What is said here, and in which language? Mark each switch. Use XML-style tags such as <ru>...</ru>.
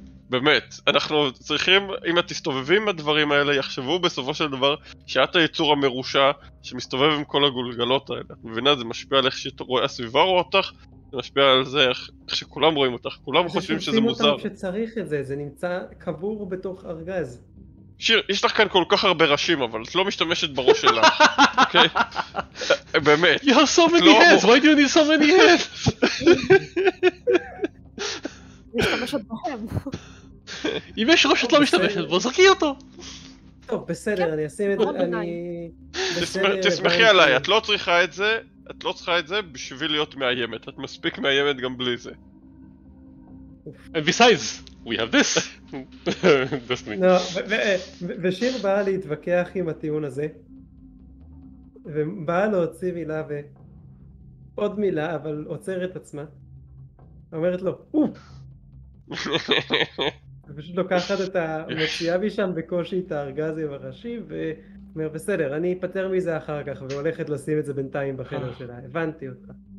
<he>באמת, אנחנו צריכים, אם את תסתובבים עם הדברים האלה, יחשבו בסופו של דבר שאת היצור המרושע שמסתובב עם כל הגולגלות האלה. את מבינה, זה משפיע על איך שהסביבה רואה אותך, זה משפיע על זה איך שכולם רואים אותך, כולם חושבים שזה מוזר. זה שעושים אותם שצריך את זה, זה נמצא קבור בתוך ארגז. שיר, יש לך כאן כל כך הרבה ראשים, אבל את לא משתמשת בראש שלך, אוקיי? באמת.</he> <en>You're so many heads, why do you need so many heads?</en> <he>משתמשת בהם. אם יש ראש את לא משתמשת בו, זרקי אותו. טוב, בסדר, אני אשים את זה, אני... תשמחי עליי, את לא צריכה את זה, את לא צריכה את זה בשביל להיות מאיימת. את מספיק מאיימת גם בלי זה.</he> <en>And besides, we have this. That's me.</en> <he>ושיר באה להתווכח עם הטיעון הזה. ובאה להוציא מילה ו... עוד מילה, אבל עוצרת עצמה. אומרת לו, אוף! ופשוט לוקחת את המציאה משם בקושי את הארגז עם הראשים ואומר בסדר, אני אפטר מזה אחר כך והולכת לשים את זה בינתיים בחדר שלה, הבנתי אותך.</he>